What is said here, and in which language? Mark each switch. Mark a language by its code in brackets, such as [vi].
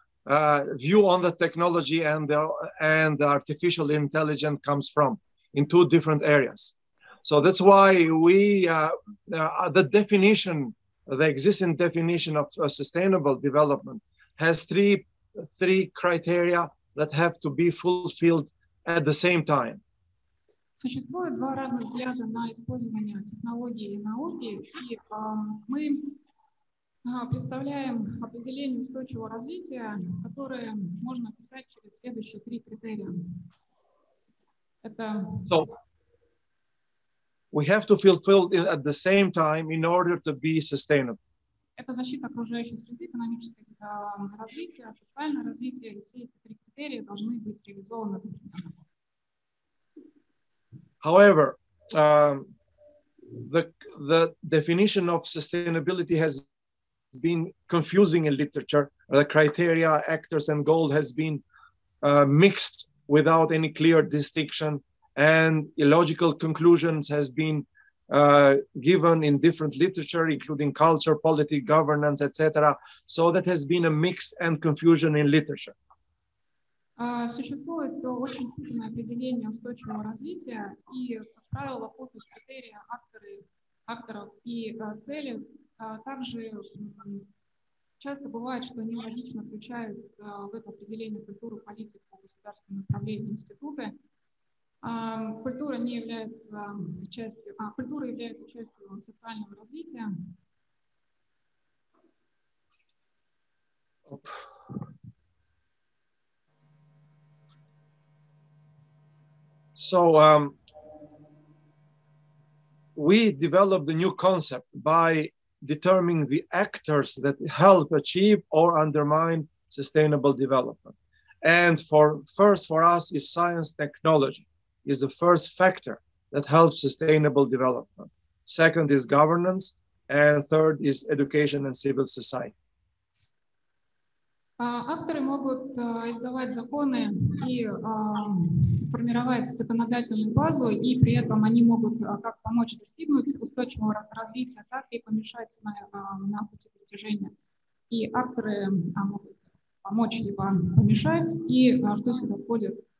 [en] view on the technology and artificial intelligence comes from in two different areas. So that's why we the definition, the existing definition of sustainable development has three criteria that have to be fulfilled at the same time. [ru] Существует два разных взгляда на использование технологии и науки, и мы представляем определение устойчивого развития, которое можно описать через следующие три критерия. Это [en] so, we have to fulfill it at the same time in order to be sustainable. [ru] Это защита окружающей среды, экономическое развитие, социальное развитие, и все эти три критерия должны быть реализованы. [en] However, the definition of sustainability has been confusing in literature. The criteria, actors, and goal has been mixed without any clear distinction, and illogical conclusions has been given in different literature, including culture, politics, governance, etc. So that has been a mix and confusion in literature. [ru] Существует очень сложное определение устойчивого развития, и, как правило, путают критерии акторов и цели. Также часто бывает, что они логично включают в это определение культуру, политику, государственное направление, институты. Культура не является частью, а культура является частью социального развития. [en] So we developed a new concept by determining the actors that help achieve or undermine sustainable development. And for us is science, technology is the first factor that helps sustainable development. Second is governance, and third is education and civil society. [ru] Авторы могут издавать законы и формировать законодательную базу, и при этом они могут как помочь достигнуть устойчивого развития, так и помешать на пути достижения. И авторы могут помочь либо помешать, и что сюда входит?